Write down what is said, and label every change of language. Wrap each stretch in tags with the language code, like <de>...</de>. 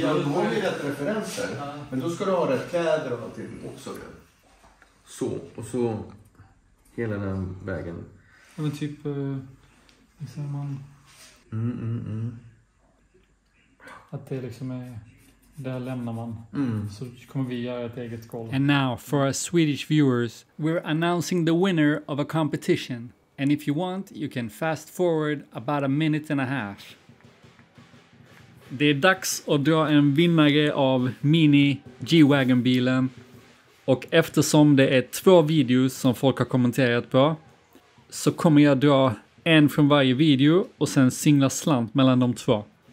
<sv>Då har vi rätt referenser. Ja. Men då ska du ha rätt kläder och allting också. Så, och så hela den vägen. Ja, men typ, hur ser man? Att det liksom är, där lämnar man. Så kommer vi göra ett eget golv.</sv> <en>And now, for our Swedish viewers, we're announcing the winner of a competition. And if you want, you can fast forward about a minute and a half.</en> <sv>Det är dags att dra en vinnare av Mini G-Wagon-bilen. Och eftersom det är två videos som folk har kommenterat på, så kommer jag dra en från varje video och sen singla slant mellan de två.</sv>